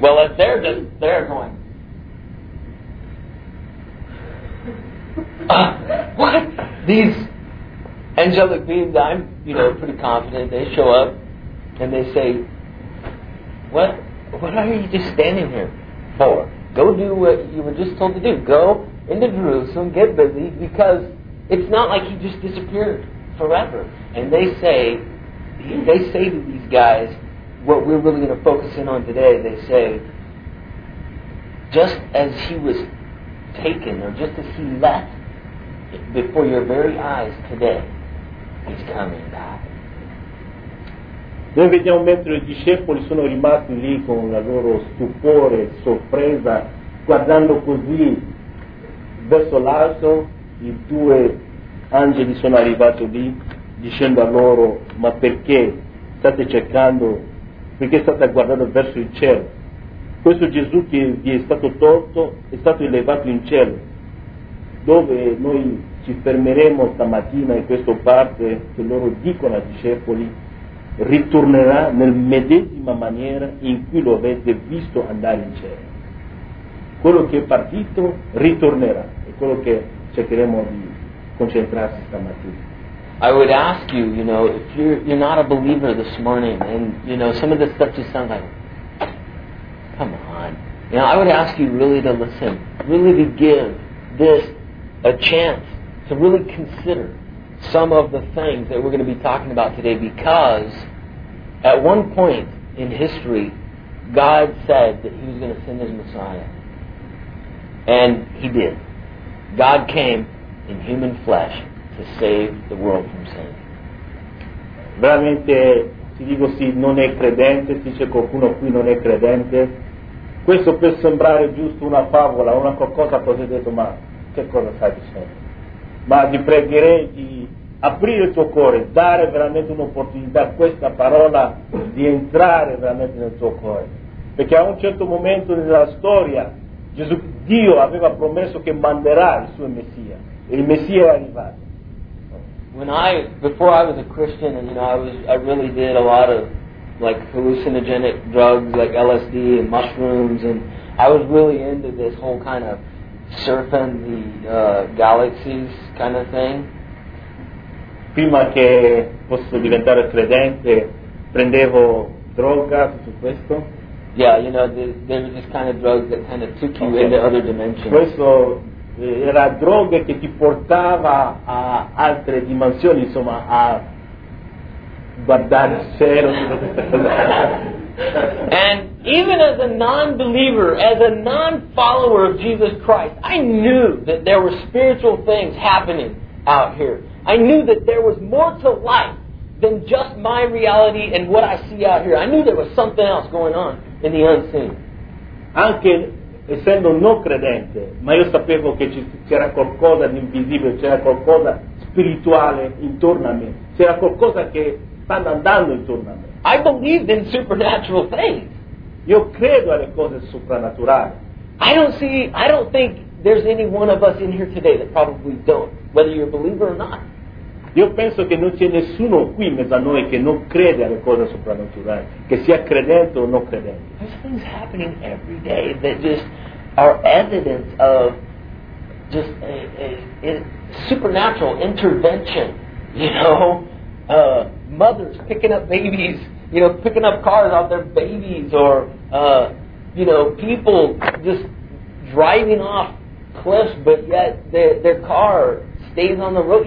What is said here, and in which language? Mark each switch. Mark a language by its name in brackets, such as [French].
[English] Well, if they're just, they're going, what? These angelic beings, I'm, you know, pretty confident, they show up, and they say, What are you just standing here for? Go do what you were just told to do. Go into Jerusalem, get busy, because it's not like he just disappeared forever. And they say to these guys, what we're really going to focus in on today, they say, just as he was taken, or just as he left before your very eyes today, he's coming back. [Italian] Noi vediamo mentre i discepoli sono rimasti lì con la loro stupore, sorpresa, guardando così verso l'alto, i due angeli sono arrivati lì, dicendo a loro, ma perché state cercando, perché state guardando verso il cielo? Questo Gesù che vi è stato tolto è stato elevato in cielo, dove noi ci fermeremo stamattina in questa parte che loro dicono ai discepoli, ritornerà nel medesima maniera in cui lo avete visto andare in cielo. Quello che è partito ritornerà, è quello che cercheremo di concentrarsi stamattina. [English] I would ask you, you know, if you're not a believer this morning, and you know, some of this stuff just sounds like, come on. You know, I would ask you really to listen, really to give this a chance to really consider some of the things that we're going to be talking about today, because at one point in history, God said that He was going to send His Messiah. And He did. God came in human flesh to save the world from sin. [Italian] Veramente, ti dico, sì, non è credente, se c'è qualcuno qui non è credente, questo può sembrare giusto una favola, una qualcosa, cosa hai detto, ma che cosa stai dicendo? Ma ti pregherei di aprire il tuo cuore, dare veramente un'opportunità a questa parola di entrare veramente nel tuo cuore. Perché a un certo momento della storia, Gesù, Dio aveva promesso che manderà il suo Messia. E il Messia è arrivato. [English] Before I was a Christian, and you know, I really did a lot of like hallucinogenic drugs like LSD and mushrooms, and I was really into this whole kind of surfing the galaxies kind of thing. [Italian] Prima che posso diventare credente, prendevo droga, tutto questo. [English] Yeah, you know, they were just kind of drugs that kind of took you into other dimensions. [Italian] Questo era droga che ti portava a altre dimensioni, insomma, a guardare il cielo. [English] And even as a non-believer, as a non-follower of Jesus Christ, I knew that there were spiritual things happening out here. I knew that there was more to life than just my reality and what I see out here. I knew there was something else going on in the unseen. [Italian] Anche essendo non credente, ma io sapevo che c'era qualcosa di invisibile, c'era qualcosa spirituale intorno a me, c'era qualcosa che stava andando intorno a me. [English] I believed in supernatural things. [Italian] Io credo alle cose soprannaturali. [English] I don't think there's any one of us in here today that probably don't, whether you're a believer or not. [Italian] Io penso che non c'è nessuno qui in mezzo a noi che non crede alle cose soprannaturali, che sia credente o non credente. [English] There's things happening every day that just are evidence of just a supernatural intervention, you know? Mothers picking up babies, you know, picking up cars off their babies, or, you know, people just driving off cliffs, but yet their car stays on the road.